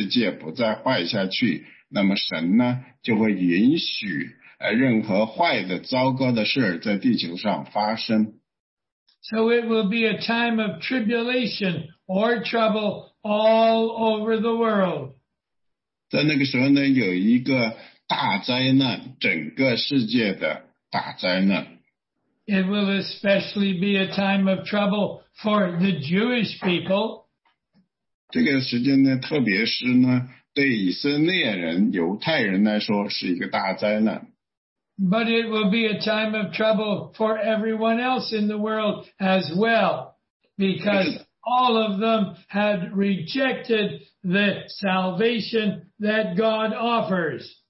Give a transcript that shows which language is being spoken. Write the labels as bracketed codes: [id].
[zh] 然后在地球上呢，就会发生很多坏的、可怕的事情，因为在地球上不再有基督徒来去保障这个世界不再坏下去。那么神呢，就会允许任何坏的、糟糕的事在地球上发生。So [en] it will be a time of tribulation or trouble all over the world. [zh] 在那个时候呢，有一个大灾难，整个世界的大灾难。It [en] will especially be a time of trouble for the Jewish people. [zh] 这个时间呢，特别是呢。对以色列人、犹太人来说是一个大灾难。 [en] But it will be a time of trouble for everyone else in the world as well, because all of them had rejected the salvation that God offers.